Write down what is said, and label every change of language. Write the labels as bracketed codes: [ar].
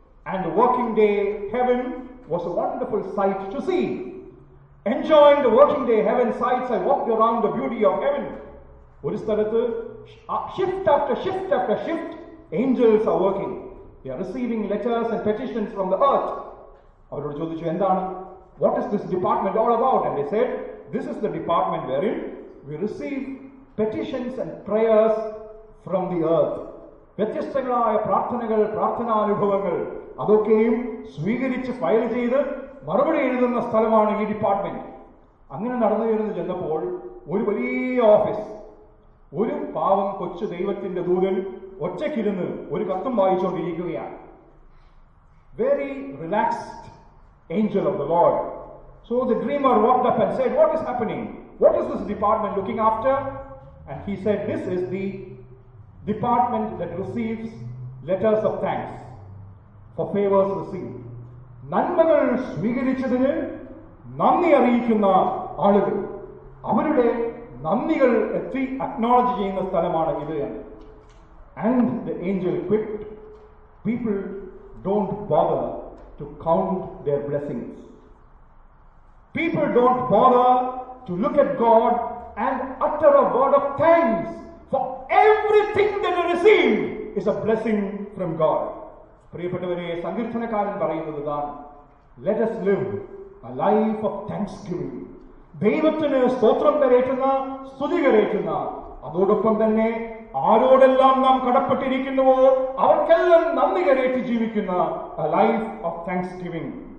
[en] And the working day heaven was a wonderful sight to see. Enjoying the working day heaven sights, I walked around the beauty of heaven. [ml] ഒരു സ്ഥലത്ത് [en] Shift after shift after shift angels are working. They are receiving letters and petitions from the earth. [ml] അവരോട് ചോദിച്ചു, എന്താണ്, [en] What is this department all about? And they said, this is the department wherein we receive petitions and prayers from the earth. [ml] വ്യത്യസ്തങ്ങളായ പ്രാർത്ഥനകൾ, പ്രാർത്ഥനാനുഭവങ്ങൾ, അതൊക്കെയും സ്വീകരിച്ച് file ചെയ്ത് മറുപടി എഴുതുന്ന സ്ഥലമാണ് ഈ ഡിപ്പാർട്ട്മെന്റ്. അങ്ങനെ നടന്നു കയറുന്നു ചെന്നപ്പോൾ ഒരു വലിയ ഓഫീസ്, ഒരു പാവം കൊച്ചു ദൈവത്തിന്റെ ദൂതൻ ഒറ്റയ്ക്കിരുന്ന് ഒരു കത്തും വായിച്ചുകൊണ്ടിരിക്കുകയാണ്. [en] Very relaxed angel of the Lord. So the dreamer walked up and said, What is happening? What is this department looking after? And he said, This is the department that receives letters of thanks for favors received. [ml] നന്മകൾ സ്വീകരിച്ചതിന് നന്ദി അറിയിക്കുന്ന ആളുകൾ, അവരുടെ നന്ദികൾ എത്തി acknowledge ചെയ്യുന്ന സ്ഥലമാണ് ഇത് എന്ന്. [en] And the angel quipped, People don't bother to count their blessings. People don't bother to look at God and utter a word of thanks for everything that they receive is a blessing from God. [ml] പ്രിയപ്പെട്ടവരെ, സങ്കീർത്തനക്കാരൻ പറയുന്നത് ഇതാണ്, [en] Let us live a life of thanksgiving. [ml] ദൈവത്തിന് സ്തോത്രം കരേറ്റുന്ന, സ്തുതി കരേറ്റുന്ന, അതോടൊപ്പം തന്നെ ആരോടെല്ലാം നാം കടപ്പെട്ടിരിക്കുന്നുവോ അവർക്കെല്ലാം നന്ദി കരേറ്റി ജീവിക്കുന്ന [en] A life of thanksgiving.